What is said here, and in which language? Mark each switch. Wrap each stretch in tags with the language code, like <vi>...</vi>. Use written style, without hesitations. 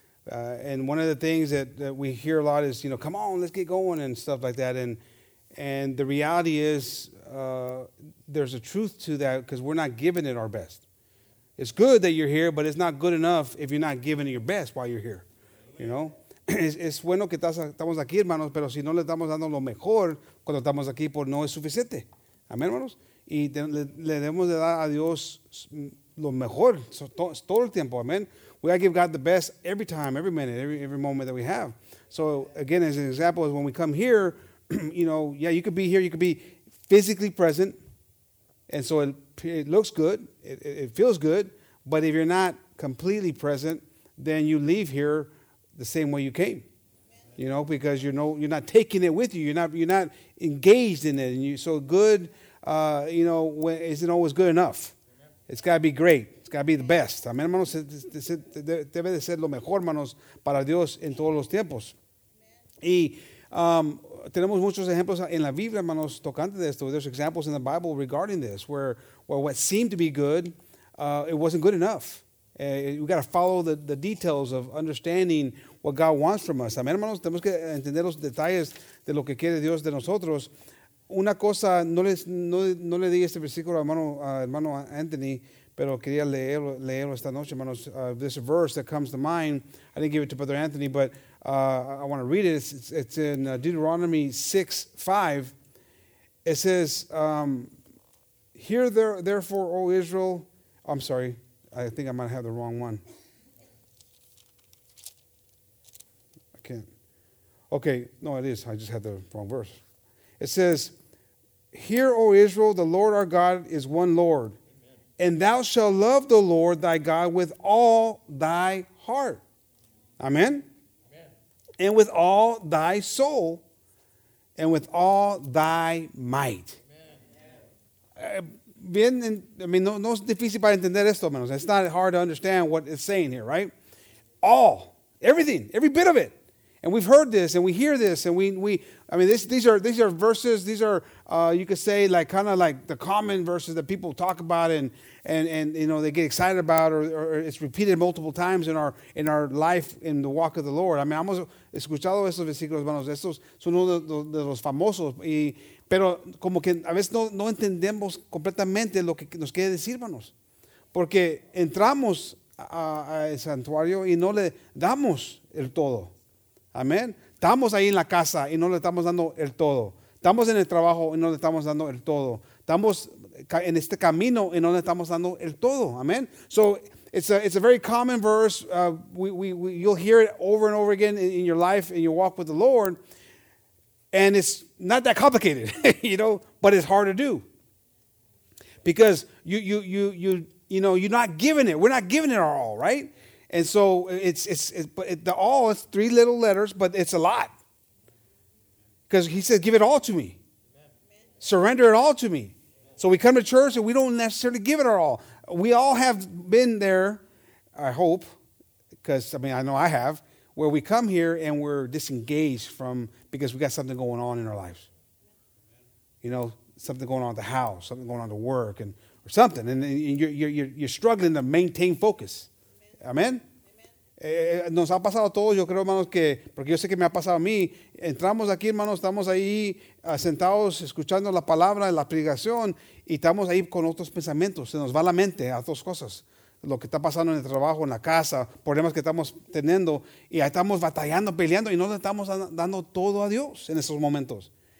<en>And one of the things that we hear a lot is, you know, come on, let's get going and stuff like that. And the reality is there's a truth to that because we're not giving it our best. It's good that you're here, but it's not good enough if you're not giving it your best while you're here, you know.</en> <es>Es bueno que estamos aquí, hermanos, pero si no le estamos dando lo mejor cuando estamos aquí, pues no es suficiente. Amén, hermanos. Y le debemos de dar a Dios lo mejor todo el tiempo. Amén.</es> <en>We gotta give God the best every time, every minute, every moment that we have. So, again, as an example, is when we come here, you know, yeah, you could be here, you could be physically present. And so it looks good, it feels good. But if you're not completely present, then you leave here the same way you came, you know, because you're not taking it with you. You're not engaged in it. And you so good, you know, when, isn't always good enough. It's got to be great. It's got to be the best. Amen, hermanos.</en> <es>Debe de ser lo mejor, hermanos, para Dios en todos los tiempos. Y tenemos muchos ejemplos en la Biblia, hermanos, tocante de esto.</es> <en>There's examples in the Bible regarding this where what seemed to be good, it wasn't good enough. We got to follow the details of understanding what God wants from us.</en> <es>Amén, hermanos. Tenemos que entender los detalles de lo que quiere Dios de nosotros. Una cosa, no le di este versículo a hermano Anthony, pero quería leerlo esta noche, hermanos.</es> <en>This verse that comes to mind, I didn't give it to Brother Anthony, but I want to read it. It's in Deuteronomy 6:5. It says, "Hear therefore, O Israel." I'm sorry. I think I might have the wrong one. I can't. Okay, no, it is. I just had the wrong verse. It says, "Hear, O Israel, the Lord our God is one Lord, and thou shalt love the Lord thy God with all thy heart." Amen? Amen. "And with all thy soul, and with all thy might." Amen.</en> <es>Bien,</es> <en>I mean,</en> <es>no es difícil para entender esto, hermanos.</es> <en>It's not hard to understand what it's saying here, right? All, everything, every bit of it. And we've heard this, and we hear this, and these are verses. These are you could say like kind of like the common verses that people talk about, and you know they get excited about, or it's repeated multiple times in our life in the walk of the Lord. I mean,</en> <es>hemos escuchado estos versículos, hermanos. Estos son uno de los famosos, y pero como que a veces no entendemos completamente lo que nos quiere decir, hermanos, porque entramos a el santuario y no le damos el todo. Amén. Estamos ahí en la casa y no le estamos dando el todo. Estamos en el trabajo y no le estamos dando el todo. Estamos en este camino y no le estamos dando el todo.</es> <en>Amén. So it's a very common verse. We you'll hear it over and over again in your life and your walk with the Lord. And it's not that complicated, you know, but it's hard to do. Because you're not giving it. We're not giving it our all, right? And so it's three little letters, but it's a lot. Because he said, give it all to me. Amen. Surrender it all to me. Amen. So we come to church and we don't necessarily give it our all. We all have been there, I hope, because I mean, I know I have, where we come here and we're disengaged from, because we got something going on in our lives. Amen. You know, something going on at the house, something going on at work or something. And you're struggling to maintain focus. Amén.</en> <es>Nos ha pasado a todos, yo creo, hermanos, que porque yo sé que me ha pasado a mí. Entramos aquí, hermanos, estamos ahí sentados escuchando la palabra, la predicación, y estamos ahí con otros pensamientos. Se nos va la mente a otras cosas, lo que está pasando en el trabajo, en la casa, problemas que estamos teniendo, y ahí estamos batallando, peleando, y no le estamos dando todo a Dios en esos momentos.</es>